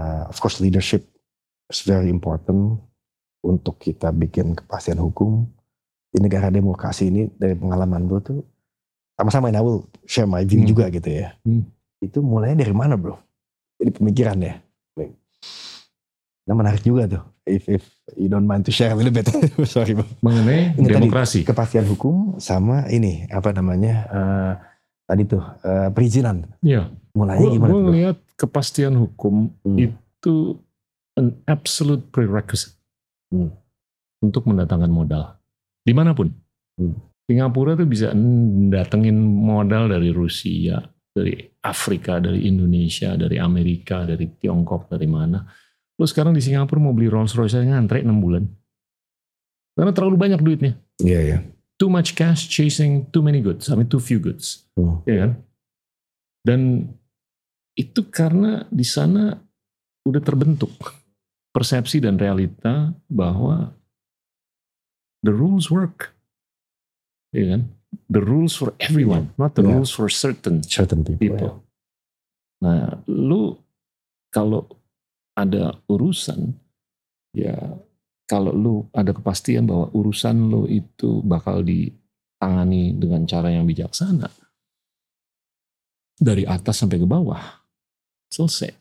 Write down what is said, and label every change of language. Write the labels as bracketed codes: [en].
[en] Of course leadership is very important [id] untuk kita bikin kepastian hukum di negara demokrasi ini. Dari pengalaman bro tuh, sama-sama in, [en] I will share my view [id] juga gitu ya. Itu mulainya dari mana bro? Jadi pemikiran ya. Nah, menarik juga tuh. [en] If you don't mind to share a little bit. Sorry bro. [id] Mengenai ini demokrasi. Tadi, kepastian hukum sama ini, apa namanya, tadi tuh, perizinan. Iya. Mulainya gimana bro? Gue ngeliat kepastian hukum itu [en] an absolute prerequisite [id] untuk mendatangkan modal. Dimanapun. Singapura tuh bisa datengin modal dari Rusia, dari Afrika, dari Indonesia, dari Amerika, dari Tiongkok, dari mana. Lu sekarang di Singapura mau beli Rolls Royce aja ngantre 6 bulan. Karena terlalu banyak duitnya. Iya, yeah, iya. Yeah. [en] Too much cash chasing too many goods. I mean too few goods. [id] Iya kan? Dan itu karena di sana udah terbentuk persepsi dan realita bahwa [en] the rules work. [id] Iya kan? [en] The rules for everyone, yeah. Not the rules for certain people. Yeah. [id] Nah, lu kalau ada urusan, ya kalau lu ada kepastian bahwa urusan lu itu bakal ditangani dengan cara yang bijaksana, dari atas sampai ke bawah, selesai.